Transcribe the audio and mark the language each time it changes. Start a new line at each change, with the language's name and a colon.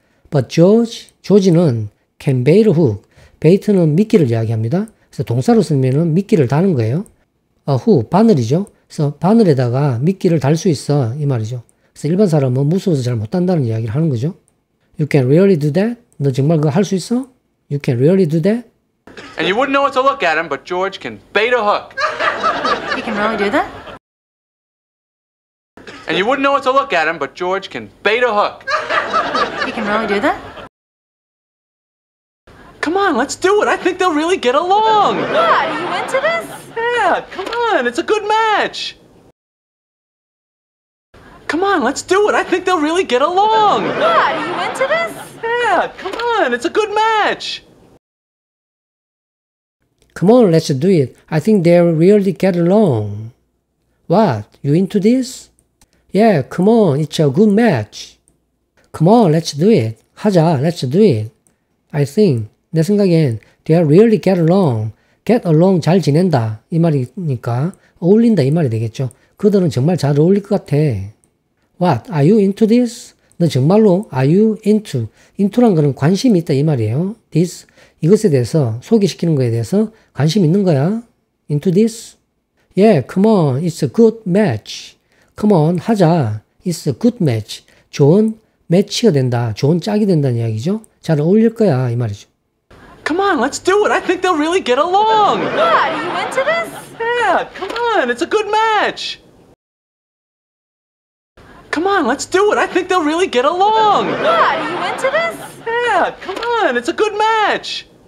English: But George,
Korean: 조지는
English: can bait a hook. bait는
Korean: 미끼를 이야기합니다. 그래서 동사로 쓰면 미끼를 다는 거예요.
English: a hook,
Korean: 바늘이죠. 그래서 바늘에다가 미끼를 달 수 있어. 이 말이죠. 그래서 일반 사람은 무서워서 잘 못 단다는 이야기를 하는 거죠.
English: You can really do that?
Korean: 너 정말 그거 할 수 있어?
English: You can really do that? And you wouldn't know what to look at him, but George can bait a hook. He can really do that? And you wouldn't know what to look at him, but George can bait a hook. He can really do that? Come on, let's do it. I think they'll really get along. What? Are you into this? Yeah, come on. It's a good match. Come on, let's do it. I think they'll really get along. What? Are you into this? Yeah, come on. It's a good match. Come on, let's do it. I think they'll really get along. What? You into this? Yeah, come on. It's a good match. Come on, let's do it.
Korean: 하자,
English: let's do it. I think,
Korean: 내 생각엔,
English: they'll really get along. Get along,
Korean: 잘 지낸다. 이 말이니까, 어울린다. 이 말이 되겠죠. 그들은 정말 잘 어울릴 것 같아.
English: What? Are you into this?
Korean: 너 정말로?
English: Are you into?
Korean: into란 거는 관심이 있다 이 말이에요. this. 이것에 대해서 소개시키는 거에 대해서 관심 있는 거야.
English: into this? Yeah, come on. It's a good match. come on.
Korean: 하자.
English: It's a good match.
Korean: 좋은 매치가 된다. 좋은 짝이 된다는 이야기죠. 잘 어울릴 거야 이 말이죠.
English: Come on. Let's do it. I think they'll really get along. What? Are you into this? Yeah, come on. It's a good match. Come on, let's do it. I think they'll really get along. What? Are you into this? Yeah, come on. It's a good match.